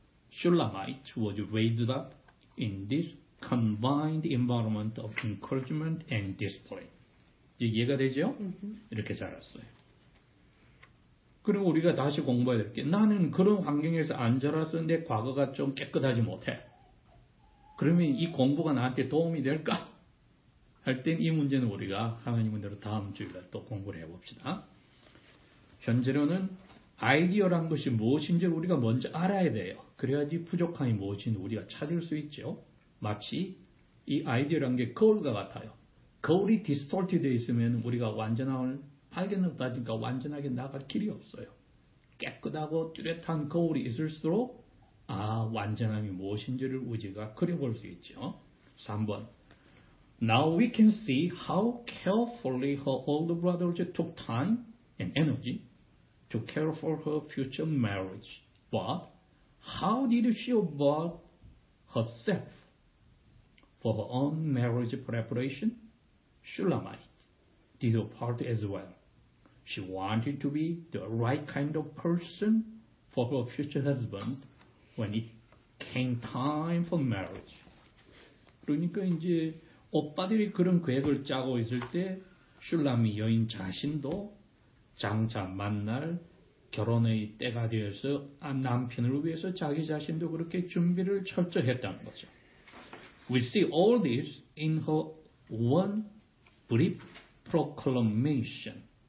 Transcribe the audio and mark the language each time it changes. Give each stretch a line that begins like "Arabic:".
English: Shulamite was raised up in this combined environment of encouragement and discipline.
Korean: 이해가 되죠? Mm-hmm. 이렇게 자랐어요. 그리고 우리가 다시 공부해야 될 게, 나는 그런 환경에서 안 자라서 내 과거가 좀 깨끗하지 못해. 그러면 이 공부가 나한테 도움이 될까? 할 땐 이 문제는 우리가 하나님은 대로 다음 주에 또 공부를 해봅시다. 현재로는 아이디어란 것이 무엇인지 우리가 먼저 알아야 돼요. 그래야지 부족함이 무엇인지 우리가 찾을 수 있죠. 마치 이 아이디어란 게 거울과 같아요. 거울이 디스톨트 되어 있으면 우리가 완전함을 발견하다니까 완전하게 나갈 길이 없어요. 깨끗하고 뚜렷한 거울이 있을수록 아 완전함이 무엇인지를 우리가 그려볼 수 있죠.
English: 3번 Now we can see how carefully her older brothers took time and energy to care for her future marriage. But how did she avoid herself for her own marriage preparation? Shulamite did her part as well. She wanted to be the right kind of person for her future husband when it came time for marriage.
Korean: 그러니까 이제 오빠들이 그런 계획을 짜고 있을 때 슐라미 여인 자신도 장차 만날 결혼의 때가 되어서 남편을 위해서 자기 자신도 그렇게 준비를 철저히 했다는 거죠.
English: We see all this in her one brief proclamation.